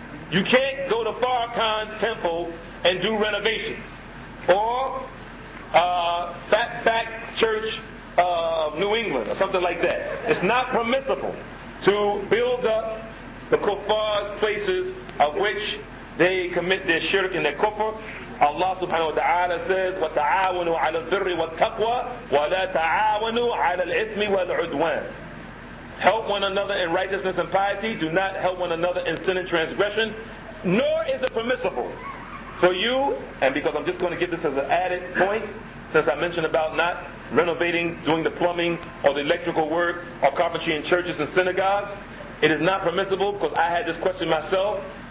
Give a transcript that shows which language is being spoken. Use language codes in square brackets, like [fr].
[en] You can't go to Farrakhan Temple and do renovations. Or Fatback Church of New England or something like that. It's not permissible to build up the kuffar's places of which they commit their shirk and their kufr. [ar] Allah subhanahu wa ta'ala [en] says, [ar] وَتَعَاوَنُوا عَلَى الْبِرِّ وَالْتَقْوَى وَلَا تَعَاوَنُوا عَلَى الْإِثْمِ وَالْعُدْوَانِ. [en] Help one another in righteousness and piety. Do not help one another in sin and transgression. Nor is it permissible for you, and because I'm just going to give this as an added point, since I mentioned about not renovating, doing the plumbing or the electrical work or carpentry in churches and synagogues, it is not permissible, because I had this question myself.